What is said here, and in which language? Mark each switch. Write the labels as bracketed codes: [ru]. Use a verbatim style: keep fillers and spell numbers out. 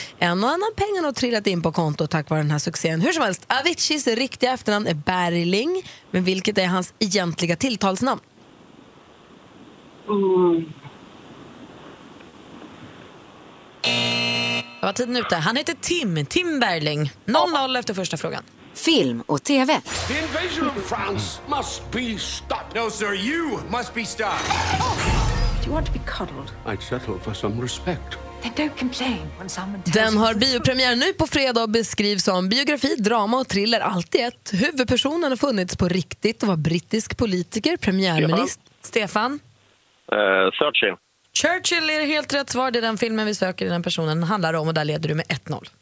[sv] En och annan pengar har trillat in på konto tack vare den här succén. Hur som helst, Aviciis riktiga efternamn är Berling. Men vilket är hans egentliga tilltalsnamn? Mm. Vad var tiden ute? Han heter Tim, Tim Berling. noll noll efter första frågan. Film och T V. [en] The invasion of France must be stopped. No sir, you must be stopped. Do you want to be cuddled? I'd settle for some respect. Then don't complain when someone tells [sv] Den har biopremiär nu på fredag och beskrivs som biografi, drama och thriller allt i ett. Huvudpersonen har funnits på riktigt och var brittisk politiker, premiärminister. Ja. Stefan? Uh, Churchill. Churchill är helt rätt svar. Det är den filmen vi söker, den personen handlar om, och där leder du med ett noll.